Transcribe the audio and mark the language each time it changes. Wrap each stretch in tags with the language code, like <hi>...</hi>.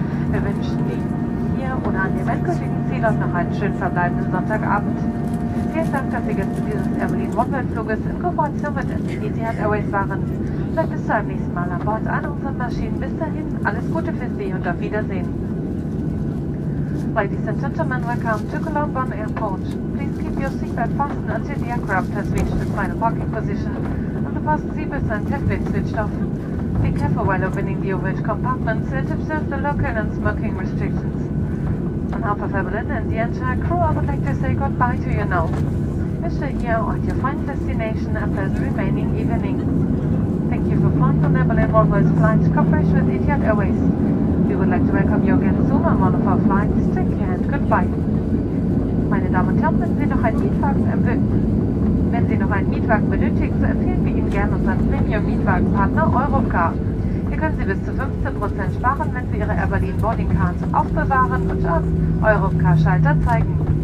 <de>Wir wünschen Ihnen hier oder an dem endgültigen Zielort noch einen schön verbleibenden Sonntagabend. Vielen Dank, dass Sie gestern dieses Aberdeen One-Way-Fluges in Kooperation mit Etihad Airways waren. Vielleicht bis zu einem nächsten Mal an Bord einer unserer Maschinen. Bis dahin, alles Gute für Sie und auf Wiedersehen.</de> <en>Ladies and gentlemen, welcome to Colombo Airport. Please keep your seatbelt fastened until the aircraft has reached its final parking position and the past seatbelts have been switched off. Be careful while opening the overhead compartments and observe the local and smoking restrictions. On behalf of Evelyn and the entire crew, I would like to say goodbye to you now. Wish you at your final destination a pleasant remaining evening. Thank you for flying on Evelyn Worldwide's flight cooperation with Etihad Airways. We would like to welcome you again soon on one of our flights. Take care and goodbye.</en> <de>Meine Damen und Herren, wenn Sie noch einen Mietwagen benötigen, so empfehlen wir Ihnen gerne unseren Premium-Mietwagenpartner Europcar. Hier können Sie bis zu 15% sparen, wenn Sie Ihre Aberdeen Boarding Cards aufbewahren und am Europcar-Schalter zeigen.</de>